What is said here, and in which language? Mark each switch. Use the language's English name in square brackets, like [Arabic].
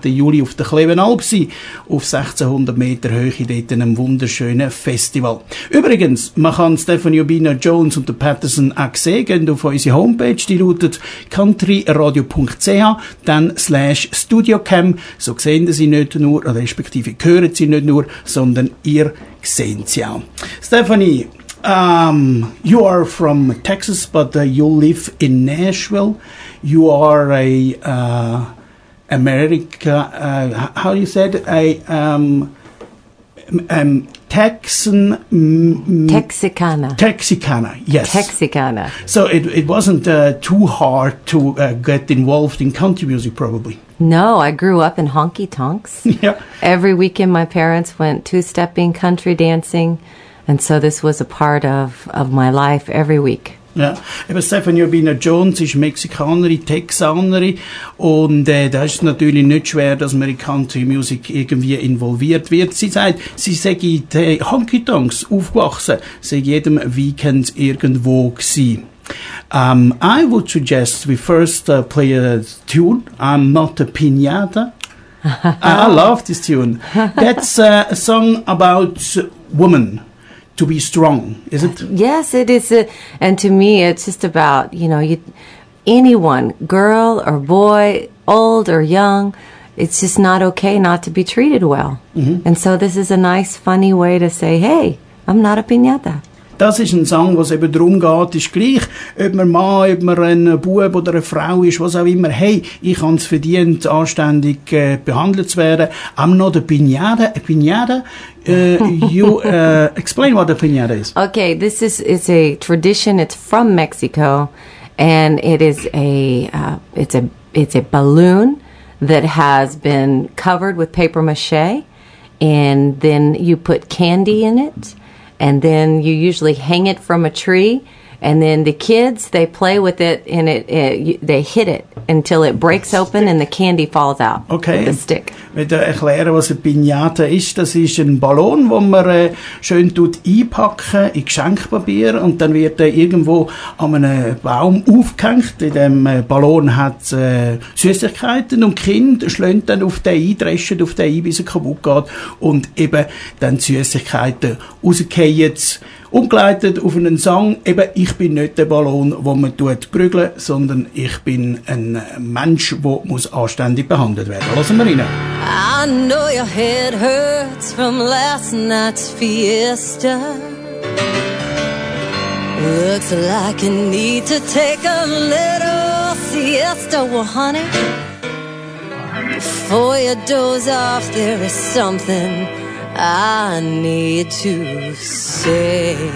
[German] Juli auf der Klevenalp sein, auf 1600 Meter Höhe, dort in einem wunderschönen Festival. Übrigens, man kann Stephanie Urbina Jones und Patterson auch sehen, gehen auf unsere Homepage, die lautet countryradio.ch, dann /studiocam, so sehen sie nicht nur, respektive hören sie nicht nur, sondern ihr seht sie auch. [English] Stephanie, you are from Texas, but you live in Nashville. You are a America. How you said a Texan. Texicana. Texicana. Yes. Texicana. So it wasn't too hard to get involved in country music, probably. No, I grew up in honky tonks. Yeah. Every weekend, my parents went two stepping, country dancing. And so this was a part of my life every week. [German] Yeah. Aber Stephanie Urbina Jones ist Mexikanerin, Texanerin. Und da ist natürlich nicht schwer, dass man in Country Music irgendwie involviert wird. Sie sagt, sie sei die Honky Tonks aufgewachsen, sei jedem Weekend irgendwo gewesen. [English] I would suggest we first play a tune. I'm not a piñata. I love this tune. That's a song about women. To be strong, is it? Yes, it is. And to me, it's just about, you know, anyone, girl or boy, old or young, it's just not okay not to be treated well. Mm-hmm. And so this is a nice, funny way to say, hey, I'm not a piñata. [German] Das ist ein Song, was eben darum geht, ist gleich, ob man Mann, ob man ein Bub oder eine Frau ist, was auch immer. Hey, ich habe es verdient, anständig behandelt zu werden. [English] I'm not a piñata. A piñata? Explain what a piñata is. Okay, this is it's a tradition. It's from Mexico, and it is a balloon that has been covered with paper mache, and then you put candy in it. And then you usually hang it from a tree, and then the kids, they play with it, and they hit it until it breaks open and the candy falls out. Okay. With a stick. [German] Ich will erklären, was eine Piñata ist. Das ist ein Ballon, den man schön einpacken in Geschenkpapier, und dann wird er irgendwo an einem Baum aufgehängt. In dem Ballon hat es Süßigkeiten, und Kind schlägt dann auf den ein, dreschen auf den ein, bis er kaputt geht, und eben dann Süßigkeiten rausfallen. Umgeleitet auf einen Song, eben, ich bin nicht der Ballon, wo man tut prügeln, sondern ich bin ein Mensch, der muss anständig behandelt werden. Lassen wir rein. [English] I know your head hurts from last night's fiesta. Looks like you need to take a little siesta. Well, honey, before you doze off, there is something I need to say.